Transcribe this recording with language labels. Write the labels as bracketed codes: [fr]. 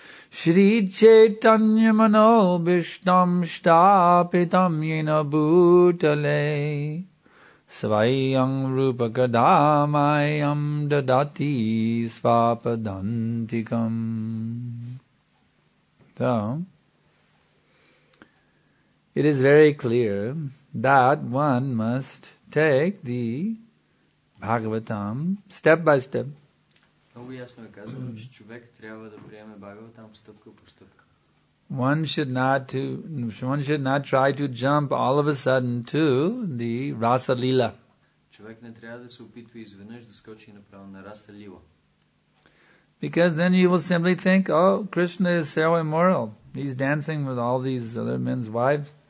[sa] Shri Chaitanya Mano Vishnam Shtapitam Yena Bhutale Svayam Rupa Kadamayam Dadati Svapadantikam. [en] So, it is very clear that one must take the Bhagavatam step by step. [bg] Много ясно е казано, че човек трябва да приеме Бхагаватам стъпка по стъпка. [en] One should not try to jump all of a sudden to the Rasa Lila. [bg] Човек не трябва да се опитва изведнъж да скочи направо на Раса Лила. [en] Because then you will simply think, oh, Krishna is so immoral. He's dancing with all these other men's wives.